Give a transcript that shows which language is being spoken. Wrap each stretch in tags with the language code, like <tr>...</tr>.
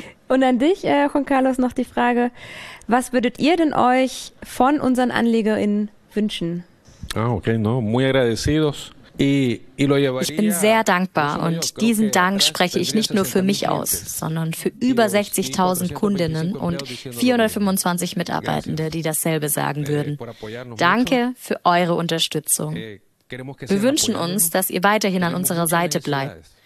<de>Und an dich, Juan Carlos, noch die Frage: Was würdet ihr denn euch von unseren AnlegerInnen wünschen?</de> <es>Ah, okay, no, muy agradecidos.</es> <de>Ich bin sehr dankbar und diesen Dank spreche ich nicht nur für mich aus, sondern für über 60.000 Kundinnen und 425 Mitarbeitende, die dasselbe sagen würden. Danke für eure Unterstützung. Wir wünschen uns, dass ihr weiterhin an unserer Seite bleibt.</de>